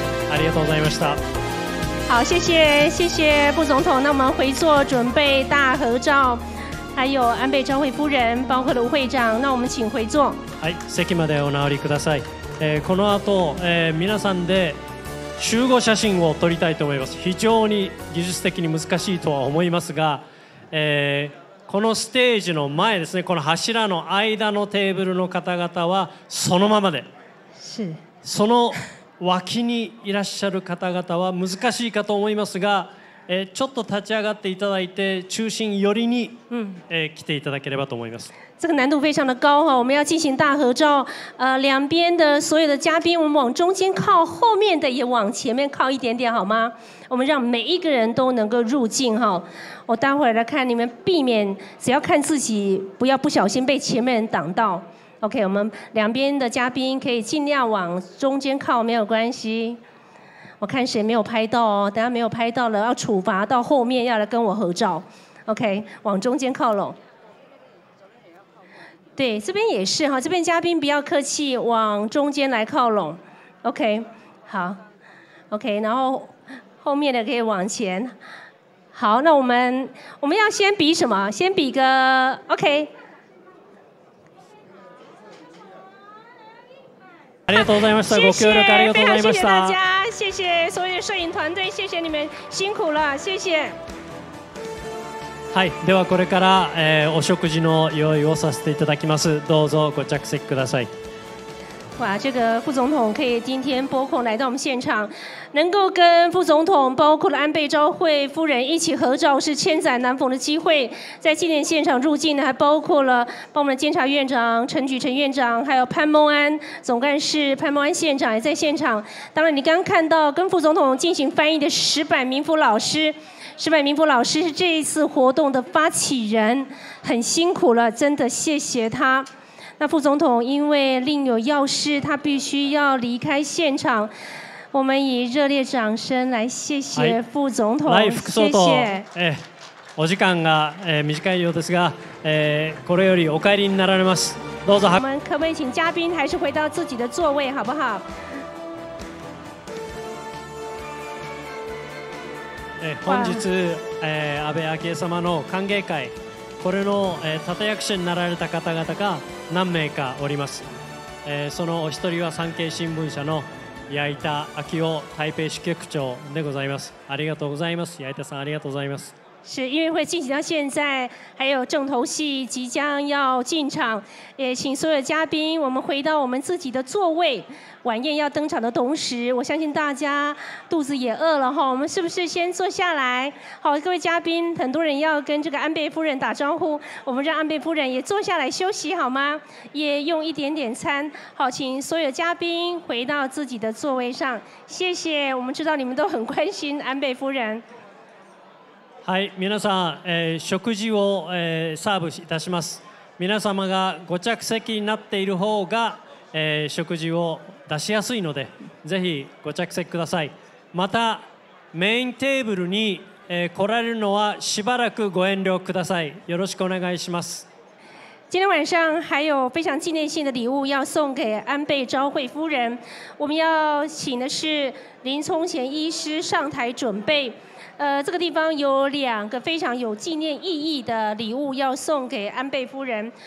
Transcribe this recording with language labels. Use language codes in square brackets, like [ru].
[ja] ありがとうございました。 [zh] 好，谢谢谢谢副总统。那我们回座准备大合照，还有安倍昭惠夫人，包括卢会长。那我们请回座。 [ja] はい、席までお直りください。この後、皆さんで集合写真を撮りたいと思います。非常に技術的に難しいとは思いますが、このステージの前ですね、この柱の間のテーブルの方々はそのままで。 [zh] 是。 [ja] その脇にいらっしゃる方々は難しいかと思いますが、ちょっと立ち上がっていただいて中心寄りに、来ていただければと思います。 [zh] 这个难度非常的高，我们要进行大合照，两边的所有的嘉宾我们往中间靠，后面的也往前面靠一点点好吗？我们让每一个人都能够入镜，我待会来看你们，避免只要看自己，不要不小心被前面人挡到。 OK， 我们两边的嘉宾可以尽量往中间靠，没有关系。我看谁没有拍到哦，等下没有拍到了要处罚，到后面要来跟我合照。 OK， 往中间靠拢。对，这边也是哈，这边嘉宾不要客气，往中间来靠拢。 OK， 好。 OK， 然后后面的可以往前。好，那我们要先比什么？先比个 OK。 [ja] ありがとうございました。ご協力ありがとうございました。 [zh] 非常谢谢大家，谢谢所有摄影团队，谢谢你们辛苦了，谢谢。 [ja] はい、ではこれから、お食事の用意をさせていただきます。どうぞご着席ください。 [zh] 哇，这个副总统可以今天拨空来到我们现场，能够跟副总统包括了安倍昭惠夫人一起合照，是千载难逢的机会。在纪念现场入境的还包括了帮我们监察院长陈菊陈院长，还有潘孟安总干事，潘孟安县长也在现场。当然，你刚刚看到跟副总统进行翻译的石柏明夫老师，石柏明夫老师是这一次活动的发起人，很辛苦了，真的谢谢他。那副总统因为另有要事，他必须要离开现场。我们以热烈掌声来谢谢副总统。来，副总统， [ja] お時間が、短いようですが、これよりお帰りになられます。どうぞ。 [zh] 我们可不可以请嘉宾还是回到自己的座位，好不好？ [ja] 本日、安倍昭恵様の歓迎会、これの、立役者になられた方々が何名かおります、そのお一人は産経新聞社の矢板昭雄台北支局長でございます。ありがとうございます。矢板さん、ありがとうございます。 [zh] 是音乐会进行到现在，还有重头戏即将要进场，也请所有嘉宾我们回到我们自己的座位。晚宴要登场的同时，我相信大家肚子也饿了哈，我们是不是先坐下来？好，各位嘉宾，很多人要跟这个安倍夫人打招呼，我们让安倍夫人也坐下来休息好吗？也用一点点餐。好，请所有嘉宾回到自己的座位上，谢谢。我们知道你们都很关心安倍夫人。 [ja] はい、皆さん、食事を、サーブいたします。皆様がご着席になっている方が、食事を出しやすいので、ぜひご着席ください。またメインテーブルに、来られるのはしばらくご遠慮ください。よろしくお願いします。 [zh] 今天晚上还有非常纪念性的礼物要送给安倍昭惠夫人。我们要请的是林聪贤医师上台准备。这个地方有两个非常有纪念意义的礼物要送给安倍夫人。